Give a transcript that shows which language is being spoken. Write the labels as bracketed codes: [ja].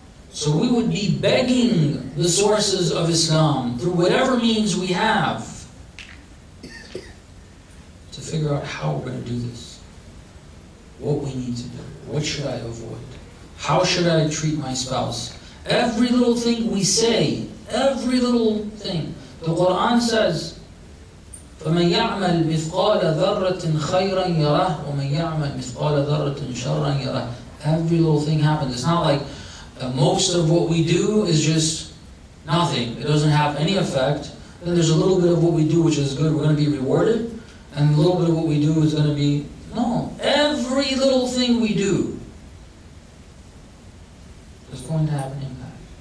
[en] So we would be begging the sources of Islam through whatever means we have to figure out how we're going to do this. What we need to do. What should I avoid? How should I treat my spouse? Every little thing we say, every little thing. The Quran says, [ar] فَمَنْ يَعْمَلْ مِثْقَالَ ذَرَّةٍ خَيْرًا يَرَهُ وَمَنْ يَعْمَلْ مِثْقَالَ ذَرَّةٍ شَرًّا يَرَهُ. [en] Every little thing happens. It's not like most of what we do is just nothing. It doesn't have any effect. Then there's a little bit of what we do which is good. We're going to be rewarded. And a little bit of what we do is going to be... No. Every little thing we do is going to have an impact.